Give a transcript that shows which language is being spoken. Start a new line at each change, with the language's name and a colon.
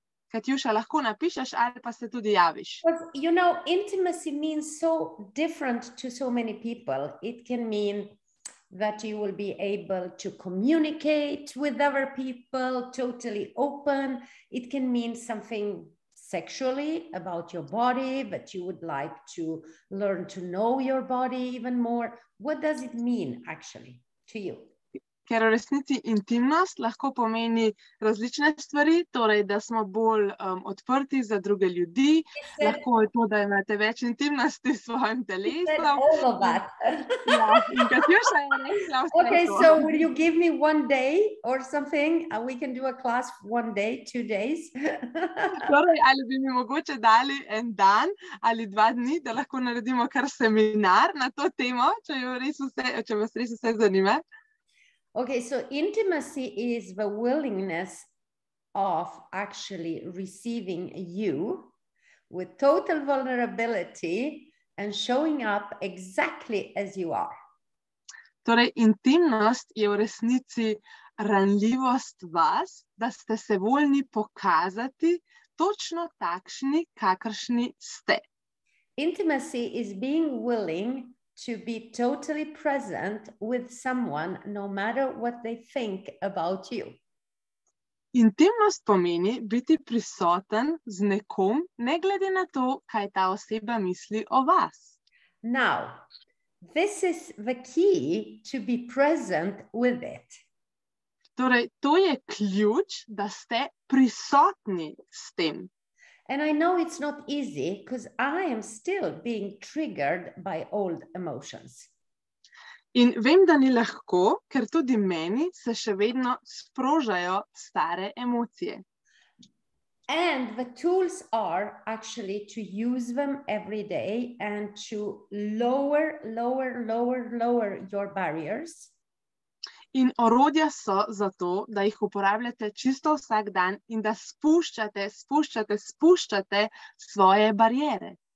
Slovenian: Katjuša, lahko napišeš ali pa se tudi javiš.
English: But, you know, intimacy means so different to so many people. It can mean that you will be able to communicate with other people, totally open. It can mean something sexually about your body, but you would like to learn to know your body even more. What does it mean actually to you?
Slovenian: Ker v resnici intimnost lahko pomeni različne stvari, torej, da smo bolj odprti za druge ljudi, said, lahko je to, da imate več intimnosti s svojim telesom.
English: All of that.
Slovenian: Ja, in Katjuša je rekla vse to.
English: Okay, so would you give me one day or something? We can do a class one day, two days.
Slovenian: Torej, ali bi mi mogoče dali en dan ali dva dni, da lahko naredimo kar seminar na to temo, če vas res vse zanima.
English: Okay, so intimacy is the willingness of actually receiving you with total vulnerability and showing up exactly as you are.
Slovenian: Torej, intimnost je v resnici ranljivost vas, da ste se voljni pokazati točno takšni, kakršni ste.
English: Intimacy is being willing to be totally present with someone, no matter what they think about you.
Slovenian: Intimnost pomeni biti prisoten z nekom, ne glede na to, kaj ta oseba misli o vas.
English: Now, this is the key to be present with it.
Slovenian: Torej, to je ključ, da ste prisotni s tem.
English: And I know it's not easy because I am still being triggered by old emotions.
Slovenian: In vem, da ni lahko, ker tudi meni se še vedno sprožajo stare emocije.
English: And the tools are actually to use them every day and to lower your barriers.
Slovenian: In orodja so zato, da jih uporabljate čisto vsak dan in da spuščate svoje barijere.